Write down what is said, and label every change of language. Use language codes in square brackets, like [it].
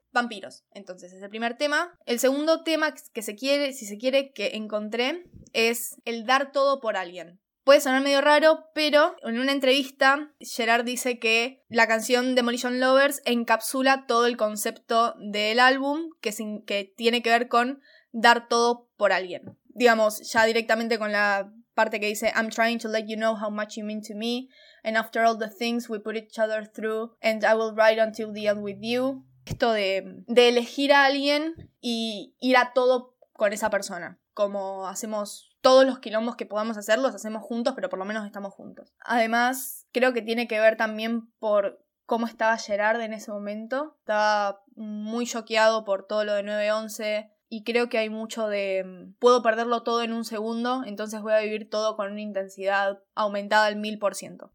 [es] Vampiros, entonces, es el primer tema. El segundo tema que se quiere, si se quiere, que encontré es el dar todo por alguien. Puede sonar medio raro, pero en una entrevista Gerard dice que la canción Demolition Lovers encapsula todo el concepto del álbum que tiene que ver con dar todo por alguien. Digamos, ya directamente con la parte que dice [en] I'm trying to let you know how much you mean to me and after all the things we put each other through and I will ride until the end with you. [es] Esto de elegir a alguien y ir a todo con esa persona. Como hacemos todos los quilombos que podamos hacer, los hacemos juntos, pero por lo menos estamos juntos. Además, creo que tiene que ver también por cómo estaba Gerard en ese momento. Estaba muy choqueado por todo lo de 9-11 y creo que hay mucho de puedo perderlo todo en un segundo, entonces voy a vivir todo con una intensidad aumentada al 1000%.